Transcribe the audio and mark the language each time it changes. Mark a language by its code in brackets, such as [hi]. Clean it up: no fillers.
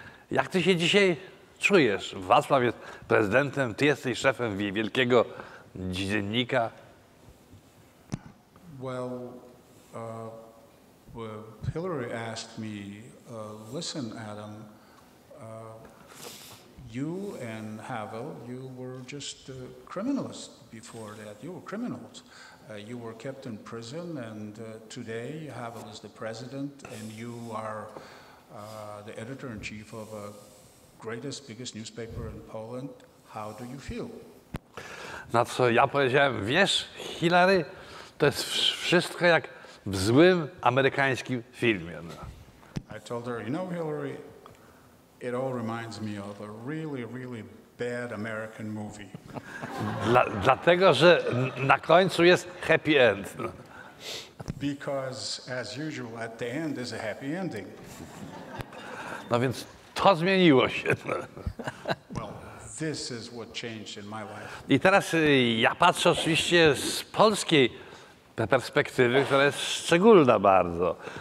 [pl] Jak ty się dzisiaj czujesz? Wacław jest prezydentem, ty jesteś szefem wielkiego dziennika. [en] Well, Hillary asked me, listen, Adam, you and Havel, you were just criminals before that. You were criminals. You were kept in prison, and today Havel is the president, and you are the editor-in-chief of the greatest, biggest newspaper in Poland. How do you feel? [pl] Na co ja powiedziałem, wiesz, Hillary, to jest wszystko jak w złym amerykańskim filmie. No. [en] I told her, you know, Hillary, it all reminds me of a really, really bad American movie. [pl] Dlatego, że na końcu jest happy end. [en] Because, as usual, at the end is a happy ending. [pl] No więc to zmieniło się. [en] Well, this is what changed in my life. [pl] I teraz ja patrzę oczywiście z polskiej perspektywy, która jest szczególna bardzo.